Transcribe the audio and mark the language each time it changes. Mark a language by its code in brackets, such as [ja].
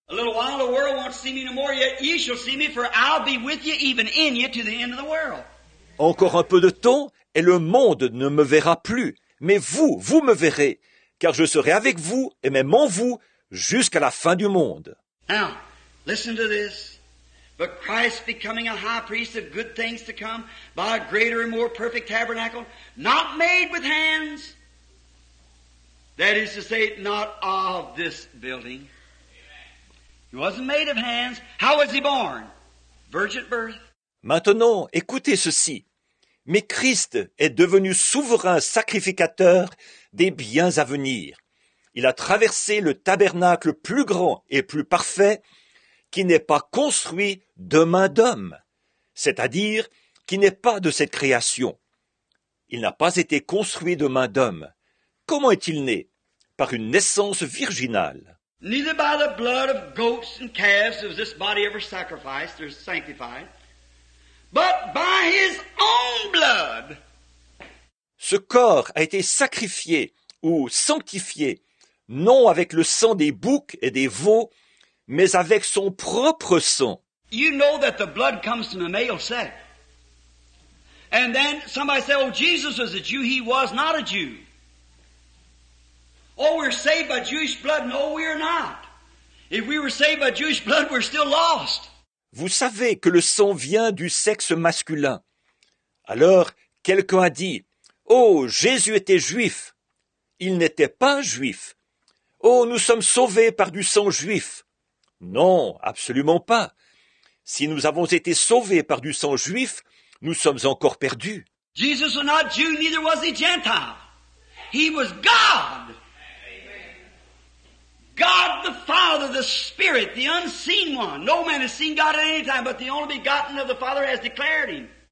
[en] A little while the world won't see me no more, yet ye shall see me, for I'll be with you, even in you, to the end of the world. [fr] Encore un peu de temps, et le monde ne me verra plus, mais vous, vous me verrez, car je serai avec vous, et même en vous, jusqu'à la fin du monde. [en] Now, listen to this. But Christ becoming a high priest of good things to come by a greater and more perfect tabernacle, not made with hands, that is to say, not of this building. He wasn't made of hands. How was he born? Virgin birth. [fr] Maintenant, écoutez ceci. Mais Christ est devenu souverain sacrificateur des biens à venir. Il a traversé le tabernacle plus grand et plus parfait qui n'est pas construit de main d'homme, c'est-à-dire qui n'est pas de cette création. Il n'a pas été construit de main d'homme. Comment est-il né? Par une naissance virginale. [en] Neither by the blood of goats and calves was this body ever sacrificed or sanctified, but by his own blood. [fr] Ce corps a été sacrifié ou sanctifié, non avec le sang des boucs et des veaux, mais avec son propre sang. [en] You know that the blood comes from the male sex. And then somebody said, oh, Jesus was a Jew. He was not a Jew. Oh, we're saved by Jewish blood. No, we are not. If we were saved by Jewish blood, we're still lost. [fr] Vous savez que le sang vient du sexe masculin. Alors, quelqu'un a dit, oh, Jésus était juif. Il n'était pas juif. Oh, nous sommes sauvés par du sang juif. Non, absolument pas. Si nous avons été sauvés par du sang juif, nous sommes encore perdus. [en] Jesus was not Jew, neither was he Gentile. He was God. God the Father, the Spirit, the unseen one. No man has seen God at any time, but the only begotten of the Father has declared him.